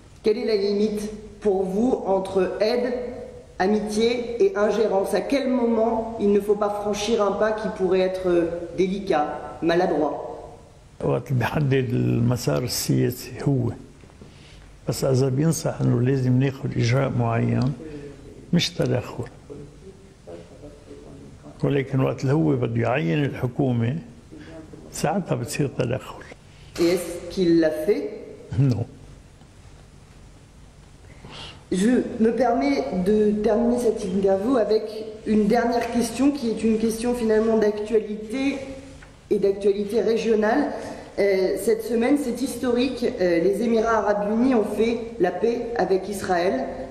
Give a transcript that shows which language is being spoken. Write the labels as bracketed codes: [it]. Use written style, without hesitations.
[fr] Quelle est la limite pour vous entre aide, amitié et ingérence? À quel moment il ne faut pas franchir un pas qui pourrait être délicat, maladroit? [ar] وقت بيحدد المسار السياسي هو بس اذا بينصح انه لازم ناخذ اجراء معين مش تدخل ولكن وقت اللي هو بده يعين الحكومه ساعتها بتصير تدخل. [fr] Et est-ce qu'il l'a fait? Non. Je me permets de terminer cette interview avec une dernière question qui est une question finalement d'actualité et d'actualité régionale. Cette semaine, c'est historique, les Émirats Arabes Unis ont fait la paix avec Israël.